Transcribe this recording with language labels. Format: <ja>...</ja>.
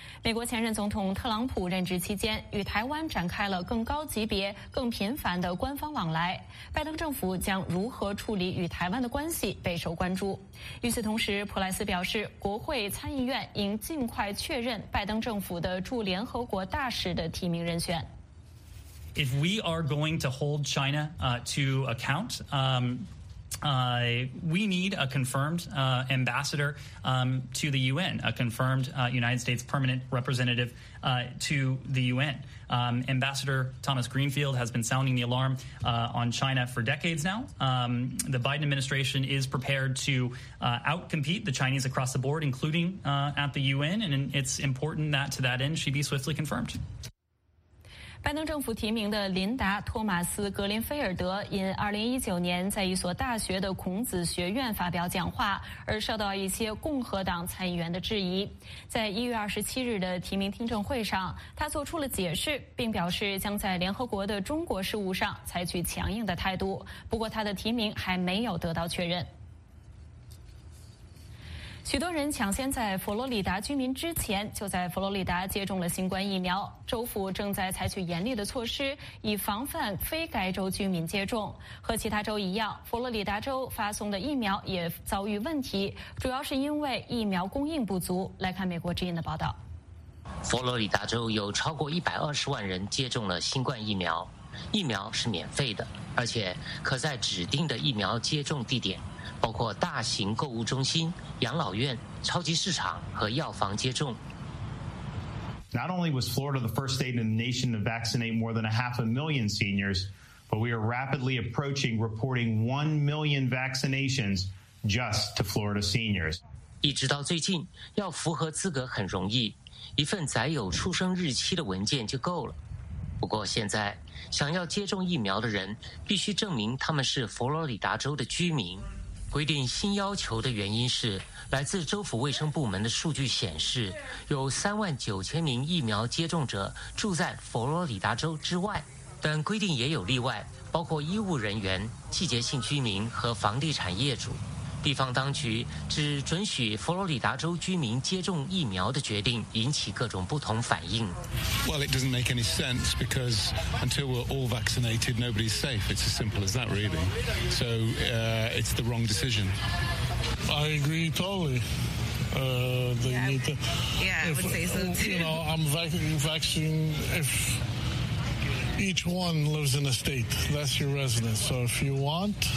<zh>美国前任总统特朗普任职期间，与台湾展开了更高级别、更频繁的官方往来。拜登政府将如何处理与台湾的关系备受关注。与此同时，普莱斯表示，国会参议院应尽快确认拜登政府的驻联合国大使的提名人选。</zh> <en>If we are going to hold China to account, We need a confirmed ambassador to the UN, a confirmed United States permanent representative to the UN. Ambassador Thomas Greenfield has been sounding the alarm on China for decades now. The Biden administration is prepared to outcompete the Chinese across the board, including at the UN. And it's important that to that end, she be swiftly confirmed.</en> <zh>拜登政府提名的琳达·托马斯·格林菲尔德因2019年在一所大学的孔子学院发表讲话而受到一些共和党参议员的质疑。在1月27日的提名听证会上，他做出了解释，并表示将在联合国的中国事务上采取强硬的态度。不过他的提名还没有得到确认。许多人抢先在佛罗里达居民之前就在佛罗里达接种了新冠疫苗。州府正在采取严厉的措施以防范非该州居民接种。和其他州一样，佛罗里达州发送的疫苗也遭遇问题，主要是因为疫苗供应不足。来看美国之音的报道。佛罗里达州有超过120万人接种了新冠疫苗，疫苗是免费的，而且可在指定的疫苗接种地点，包括大型购物中心、养老院、超级市场和药房接种。</zh> <en>Not only was Florida the first state in the nation to vaccinate more than a half a million seniors, but we are rapidly approaching reporting 1 million vaccinations just to Florida seniors.</en> <zh>一直到最近，要符合资格很容易，一份载有出生日期的文件就够了。不过现在，想要接种疫苗的人必须证明他们是佛罗里达州的居民。规定新要求的原因是，来自州府卫生部门的数据显示，有39000名疫苗接种者住在佛罗里达州之外，但规定也有例外，包括医务人员、季节性居民和房地产业主。地方当局只准许佛罗里达州居民接种疫苗的决定引起各种不同反应。</zh> <en>Well, it doesn't make any sense because until we're all vaccinated, nobody's safe. It's as simple as that, really. So, it's the wrong decision. I agree totally. They yeah, need to. Yeah, if, I would say so too. You know, I'm vaccinating if each one lives in a state. That's your residence. So if you want.</en>